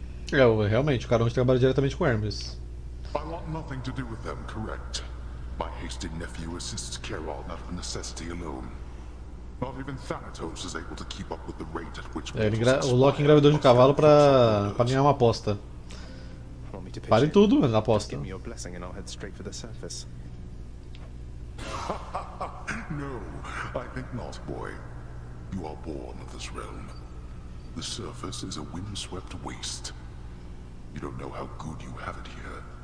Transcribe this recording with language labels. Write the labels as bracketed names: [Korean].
[Portuguese] Realmente, o cara onde trabalha diretamente com Hermes. [English] I want nothing to do with them, correct? My hasty nephew assists Carol out of necessity alone. Not even Thanatos is able to keep up with the rate at which [Portuguese] o Loki engravidou de um cavalo para ganhar uma aposta. Pare tudo, mas aposta. [English] Give me your blessing and I'll head straight for the surface. No, I think not, boy. You are born of this realm. The surface is a windswept waste. You don't know how good you have it here.